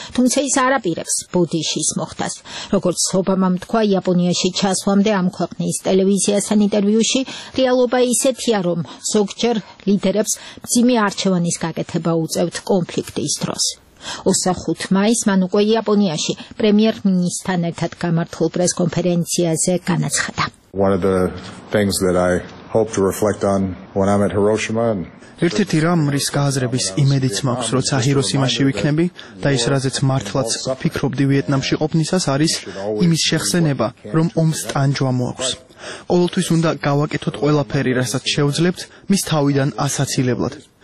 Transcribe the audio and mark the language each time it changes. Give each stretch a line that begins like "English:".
Georgian: თუმცა ის არ აპირებს ბუდიშის მოხდას. როგორც ობამამ თქვა იაპონიაში ჩასვლამდე ამ ქვეყნის ტელევიზიასთან ინტერვიუში, რეალობა ისეთია, რომ ზოგჯერ ლიდერებს მძიმე არჩევანის გაკეთება უწევთ კონფლიქტის დროს. 25 მაისს მან უკვე იაპონიაში პრემიერ-მინისტრთან ერთად გამართულ პრეს-კონფერენციაზე განაცხადა.
English: One of the things that I hope to reflect on when I'm at Hiroshima and
Georgian: ერთ-ერთი რამ რის გააზრების იმედიც მაქვს, როცა ჰიროსიმაში ვიქნები და ის რაზეც მართლაც ფიქრობდი ვიეტნამში ყოფნისას არის იმის შეხსენება, რომ ომს ტანჯვა მოაქვს. ყოველთვის უნდა გავაკეთოთ ყველაფერი, რასაც შევძლებთ, მის თავიდან ასაცილებლად.